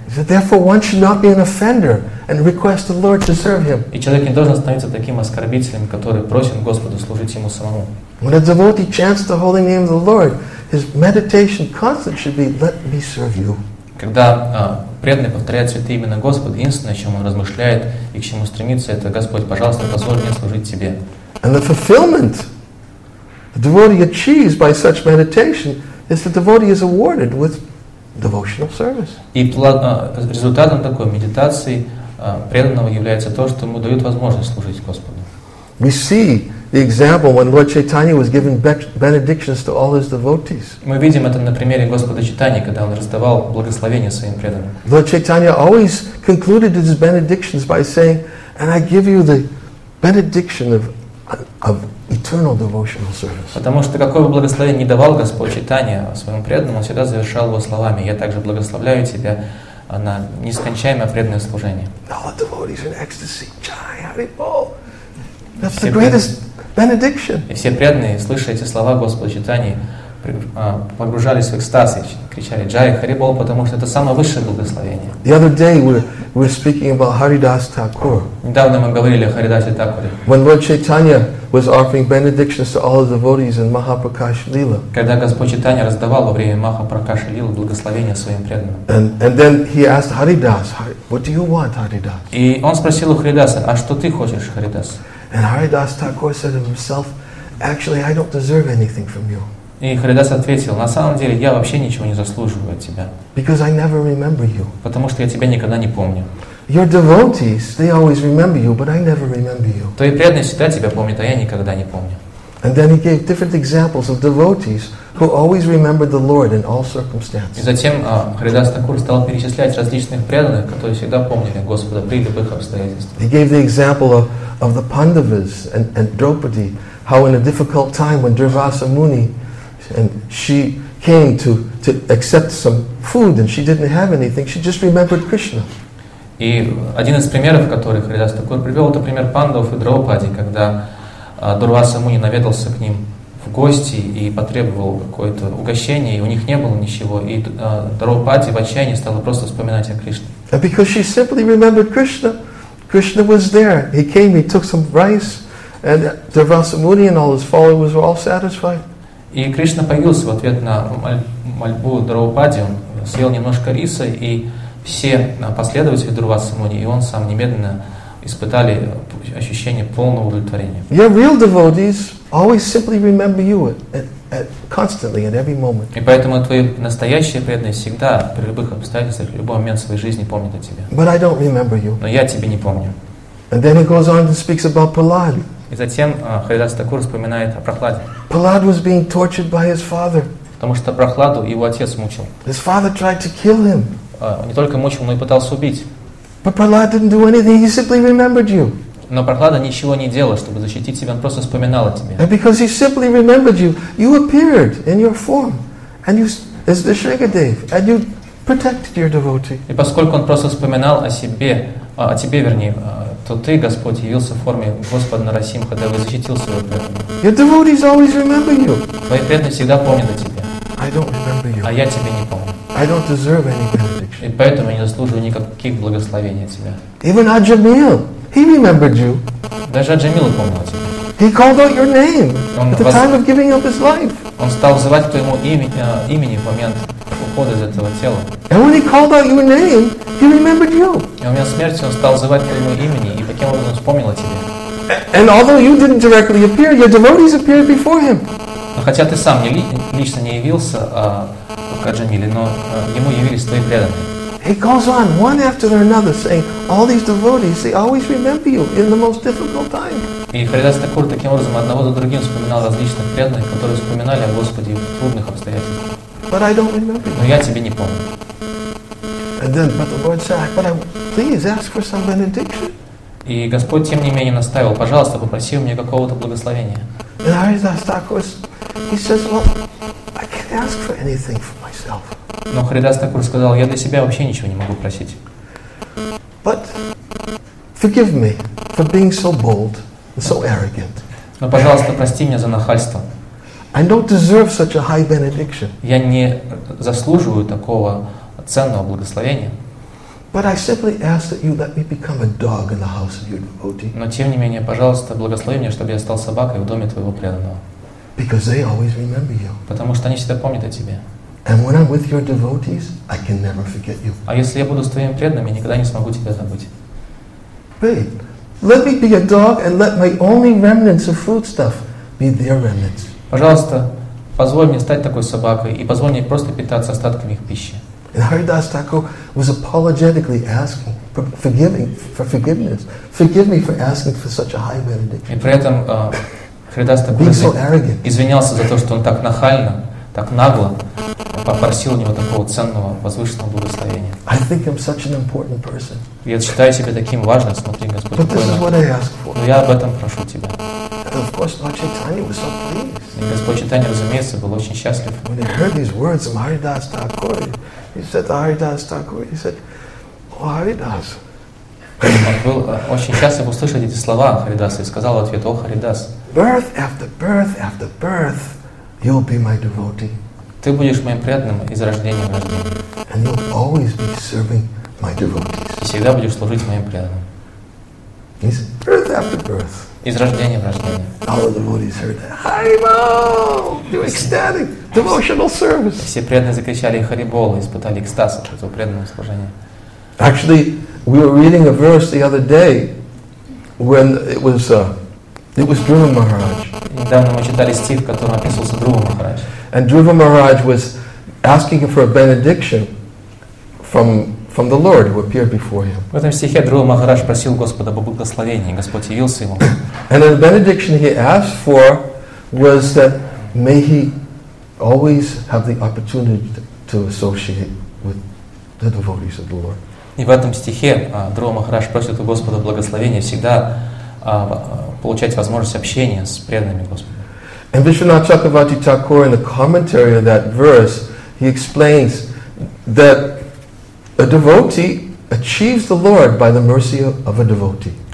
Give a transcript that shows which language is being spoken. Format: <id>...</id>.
<en>Therefore, one should not be an offender and request the Lord to serve him.</en> <ru>И человек не должен становиться таким оскорбителем, который просит Господа служить ему самому.</ru> <en>When a devotee chants the holy name of the Lord, his meditation constant should be, let me serve you.</en> <ru>Когда преданный повторяет святые имена Господа, единственное, о чем он размышляет и к чему стремится, это «Господь, пожалуйста, позволь мне служить Тебе».</ru> <en>And the fulfillment the devotee achieves by such meditation is the devotee is awarded with devotional service.</en> <ru>И результатом такой медитации преданного является то, что ему дают возможность служить Господу.</ru> <en>We see the example when Lord Chaitanya was giving benedictions to all his devotees.</en> <ru>Мы видим это на примере Господа Чайтаньи, когда он раздавал благословения своим преданным.</ru> <en>Lord Chaitanya always concluded his benedictions by saying, "And I give you the benediction of eternal devotional service."</en> <ru>Потому что какое бы благословение ни давал Господь Чайтанья своему преданному, он всегда завершал его словами: "Я также благословляю тебя на нескончаемое преданное служение."</ru> <en>All the devotees in ecstasy, Jai Hari Bol. That's the greatest. benediction.</en> <ru>И все преданные, слыша эти слова Господа Читания, погружались в экстаз и кричали «Джай, Харибол», потому что это самое высшее благословение.</ru> <en>The other day we were speaking about Haridas Thakur.</en> <ru>Недавно мы говорили о Харидасе Такуре.</ru> <en>When Lord Chaitanya was offering benedictions to all the devotees in Mahaprakash Lila.</en> <ru>Когда Господь Читания раздавал во время Махапракаша Лилы благословения своим преданным.</ru> <en>And then he asked Haridas, what do you want, Haridas?</en> <ru>И он спросил у Харидаса, а что ты хочешь, Харидас?</ru> <en>And Haridas Thakur said to himself, actually, I don't deserve anything from you.</en> <ru>И Харидас ответил, на самом деле я вообще ничего не заслуживаю от тебя.</ru> <en>Because I never remember you.</en> <ru>Потому что я тебя никогда не помню.</ru> <en>Your devotees, they always remember you, but I never remember you.</en> <ru>Твои преданные всегда тебя помнят, а я никогда не помню.</ru> <en>And then he gave different examples of devotees who always remembered the Lord in all circumstances.</en> <ru>И затем Харидас Такур стал перечислять различных преданных, которые всегда помнили Господа при любых обстоятельствах.</ru> <en>He gave the example of the Pandavas and Draupadi, how in a difficult time when Durvasa Muni and she came to accept some food and she didn't have anything, she just remembered Krishna.</en> <ru>И один из примеров, который Харидас Такур привел, это пример Пандов и Драупади, когда Дурваса Муни наведался к ним в гости и потребовал какое-то угощение, и у них не было ничего, и Драупади в отчаянии стала просто вспоминать о Кришне.</ru> <en>And because she simply remembered Krishna, Krishna was there. He came, he took some rice, and Dharvasa Muni and all his followers were all satisfied.</en> <ru>И Кришна появился в ответ на мольбу Драупади, он съел немножко риса, и все последователи Дурвасы Муни, и он сам немедленно испытали ощущение полного удовлетворения.</ru> <en>Your real devotees always simply remember you constantly, at every moment.</en> <ru>И поэтому твои настоящие преданные всегда, при любых обстоятельствах, в любой момент своей жизни помнят о тебе.</ru> <en>But I don't remember you.</en> <ru>Но я тебя не помню.</ru> <en>And then he goes on and speaks about Prahlad.</en> <ru>И затем Харидас Такур вспоминает о Прохладе.</ru> <en>Prahlad was being tortured by his father.</en> <ru>Потому что Прохладу его отец мучил.</ru> <en>His father tried to kill him.</en> <ru>Он не только мучил, но и пытался убить.</ru> <en>But Prahlad didn't do anything. He simply remembered you.</en> <ru>Но Прохлада ничего не делал, чтобы защитить себя. Он просто вспоминал о тебе.</ru> <en>And because he simply remembered you, you appeared in your form, and you as the Shrigadev, and you protected your devotee.</en> <ru>И поскольку он просто вспоминал о себе, о тебе, вернее. То ты, Господь, явился в форме Господа Нарасимха, когда вы защитил своего преданного.</ru> <en>Your devotees always remember you.</en> <ru>Твои преданные всегда помнят о тебе.</ru> <en>I don't remember you.</en> <ru>А я тебя не помню.</ru> <en>I don't deserve any benediction.</en> <ru>И поэтому я не заслуживаю никаких благословений от тебя.</ru> <en>Even Аджамил, he remembered you.</en> <ru>Даже Аджамил помнил о тебе.</ru> <en>He called out your name at the time of giving up his life.</en> <ru>Он стал взывать к твоему имени в момент ухода из этого тела.</ru> <en>And when he called out your name, he remembered you.</en> <ru>И у меня смерти он стал звать твоему имени, и таким образом вспомнил о тебе.</ru> <en>And although you didn't directly appear, your devotees appeared before him.</en> <ru>Но хотя ты сам лично не явился к Аджамиле, но ему явились твои преданные.</ru> <en>He goes on one after another, saying, "All these devotees, they always remember you in the most difficult time."</en> <ru>И Харидас Такур таким образом одного за другим вспоминал различных преданных, которые вспоминали о Господе в трудных обстоятельствах.</ru> <en>But I don't remember.</en> <ru>Но я тебя не помню.</ru> <en>And then, but the Lord said, "But I, please ask for some benediction."</en> <ru>И Господь тем не менее настаивал, пожалуйста, попроси у меня какого-то благословения.</ru> <en>And Haridas Thakur, he says, "Well, I can't ask for anything for myself."</en> <ru>Но Харидас Такур сказал, я для себя вообще ничего не могу просить.</ru> <en>But forgive me for being so bold and so arrogant.</en> <ru>Но пожалуйста, прости меня за нахальство.</ru> <en>I don't deserve such a high benediction.</en> <ru>Я не заслуживаю такого ценного благословения.</ru> <en>But I simply ask that you let me become a dog in the house of your devotee.</en> <ru>Но тем не менее, пожалуйста, благослови меня, чтобы я стал собакой в доме твоего преданного.</ru> <en>Because they always remember you.</en> <ru>Потому что они всегда помнят о тебе.</ru> <en>And when I'm with your devotees, I can never forget you.</en> <ru>А если я буду с твоими преданными, я никогда не смогу тебя забыть.</ru> <en>Babe, let me be a dog and let my only remnants of foodstuff be their remnants.</en> <ru>Пожалуйста, позволь мне стать такой собакой и позволь мне просто питаться остатками их пищи.</ru> <en>And Haridas Thakur was apologetically asking for forgiving for forgiveness. Forgive me for asking for such a high benediction.</en> <ru>И при этом Харидас Такур извинялся за то, что он так нахально, так нагло попросил у него такого ценного, возвышенного благословения.</ru> <en>I think I'm such an important person.</en> <ru>Я считаю себя таким важным, смотри, Господь.</ru> <en>But this is what I ask for.</en> <ru>Но я об этом прошу тебя.</ru> <en>Of course, Lord Chaitanya was so pleased.</en> <ru>И Господь Чайтанья, разумеется, был очень счастлив.</ru> <en>When he heard these words from Haridas Thakur, he said, "Haridas Thakur," he said, "Oh, Haridas."</en> <ru>Он был очень счастлив услышать эти слова Харидаса и сказал в ответ: "О, Харидас."</ru> <en>birth after birth after birth, you'll be my devotee.</en> <ru>Ты будешь моим преданным из рождения в рождение.</ru> <en>And you'll always be serving my devotees.</en> <ru>И всегда будешь служить моим преданным.</ru> <en>Is birth after birth.</en> <ru>Из рождения в рождение.</ru> <en>All the devotees heard that. Харибол! You're ecstatic. Devotional service.</en> <ru>Все преданные закричали Харибол и испытали экстаз от этого преданного служения.</ru> <en>Actually, we were reading a verse the other day when it was Dhruva Maharaj.</en> <ru>Недавно мы читали стих, в котором описывался Друва Махарадж.</ru> <en>And Dhruva Maharaj was asking for a benediction from the Lord who appeared before him.</en> <ru>В этом стихе Друва Махарадж просил Господа об благословении, и Господь явился ему.</ru> <en>And the benediction he asked for was that may he always have the opportunity to associate with the devotees of the Lord.</en> <ru>И в этом стихе Друва Махарадж просит у Господа благословения всегда получать возможность общения с преданными Господа.</ru> <en>And Vishwanath Chakravarti Thakur in the commentary of that verse, he explains that a devotee achieves the Lord by the mercy of a devotee.</en>